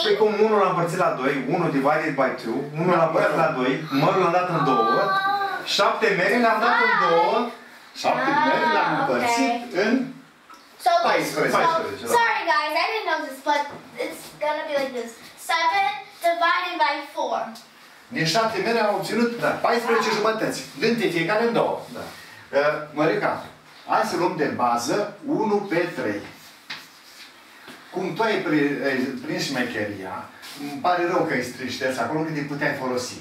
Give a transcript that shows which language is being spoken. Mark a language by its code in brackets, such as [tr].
[ro] Păi cum 1 l-am împărțit la 2, [en] 1 divided by 2, [ro] 1 l-am împărțit la 2, mărul l-am dat în 2, 7 mere l-am dat în 2, 7 mere l-am împărțit în [en] So, sorry guys, I didn't know this, but it's gonna be like this. 7 divided by 4. [ro] Din 7 mere am obținut, da, 14 jumătăți. Dintre fiecare în două. Da. Mărica, hai să luăm de bază 1 pe 3. Cum tu ai prins șmecheria, îmi pare rău că ai strișteț acolo când îi puteai folosi.